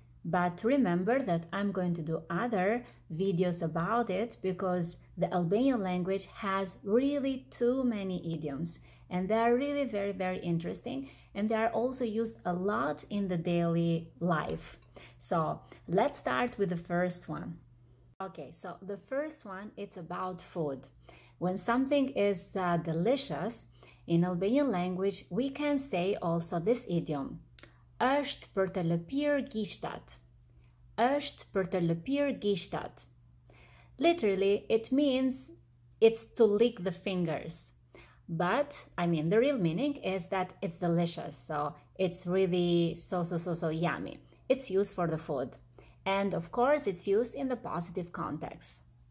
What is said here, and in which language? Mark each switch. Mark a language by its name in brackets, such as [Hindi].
[English] But remember that I'm going to do other videos about it because the Albanian language has really too many idioms, and they are really very, very interesting, and they are also used a lot in the daily life. So let's start with the first one. Okay, so the first one, it's about food. When something is delicious, in Albanian language, we can say also this idiom. [Albanian] Është për të lëpirë gishtat. Është për të lëpirë gishtat. [English] Literally, it means it's to lick the fingers. But, I mean, the real meaning is that it's delicious. So, it's really so yummy. It's used for the food. And of course, it's used in the positive context.